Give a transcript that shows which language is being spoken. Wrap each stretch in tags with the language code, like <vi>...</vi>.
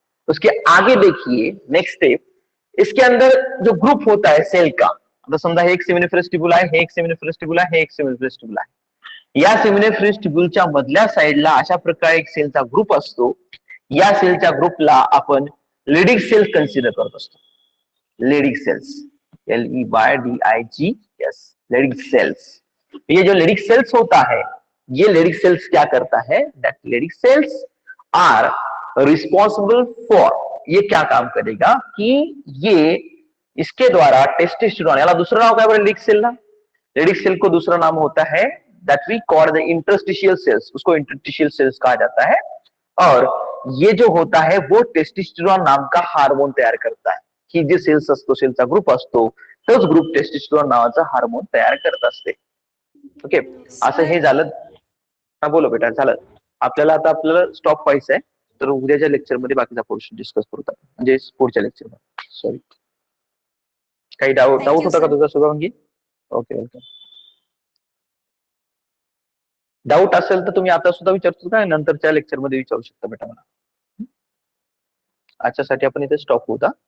<hi>उसके आगे देखिए नेक्स्ट स्टेप, इसके अंदर जो ग्रुप होता है सेल का,</hi> <mr>आता समजा हे एक सेमिनिफेरस ट्यूब्यूल आहे, हे एक सेमिनिफेरस ट्यूब्यूल आहे, हे एक सेमिनिफेरस ट्यूब्यूल आहे, या सेमिनिफेरस ट्यूब्यूलच्या मधल्या साईडला अशा प्रकारे एक सेलचा ग्रुप असतो, या सेलच्या ग्रुपला आपण लीडिंग सेल्स कन्सिडर करत असतो, leading cells LEYDIG, yes leading cells, हे जो लीडिंग सेल्स होता है</mr> <hi>ये लेडिक सेल्स क्या करता है,</hi> <en>that Leydig cells are responsible for,</en> <hi>ये क्या काम करेगा कि ये इसके द्वारा टेस्टोस्टेरोन, यानी दूसरा नाम क्या है लेडिक सेल ना, लेडिक सेल को दूसरा नाम होता है</hi> <en>that we call the interstitial cells,</en> <hi>उसको इंटरस्टिशियल सेल्स कहा जाता है, और ये जो होता है वो टेस्टोस्टेरोन नाम का हार्मोन तैयार करता है, कि</hi> <mr>जे सेल्स असतो सेलचा ग्रुप असतो तोच ग्रुप टेस्टोस्टेरोन नावाचा हार्मोन तयार करत असते. ओके, असं हे झालं. बोलो बेटा, झालं. आपल्याला आता आपल्याला स्टॉप व्हायचं आहे, तर उद्याच्या लेक्चर मध्ये बाकीचा पोर्शन डिस्कस करू आपण, म्हणजे पुढच्या लेक्चर मध्ये. सॉरी, काही डाऊट होता का तुझा शुभांगी? ओके ओके, डाऊट असेल तर तुम्ही आता सुद्धा विचारतो का, नंतरच्या लेक्चर मध्ये विचारू शकता बेटा मला. आजच्यासाठी आपण इथे स्टॉप होऊ.</mr>